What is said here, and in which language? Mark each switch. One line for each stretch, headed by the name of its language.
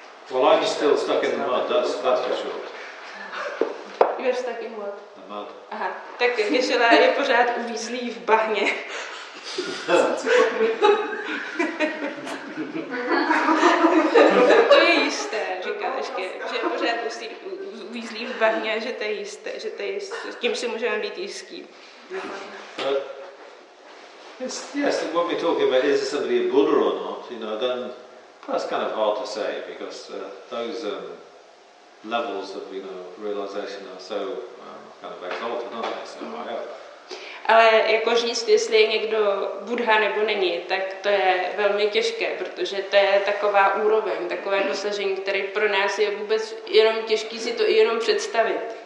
English: Well, I'm still stuck in the mud, that's for sure. You're stuck in what? The mud.
Czech: Aha, tak Gisela je pořád uvízlý v bahně. To je jisté, říká Ažke, že pořád musí uvízlý v bahně, že to je jisté, že to je jisté. Tím si můžeme být jistí.
English: Yes, what we're talking about, is somebody a Buddha or not, you know, then that's kind of hard to say, because those levels of, you know, realization are so kind of exalted, aren't they, so high up.
Czech: Ale jako říct, jestli je někdo Buddha nebo není, tak to je velmi těžké, protože to je taková úroveň, takové dosažení, které pro nás je vůbec jenom těžké si to jenom představit.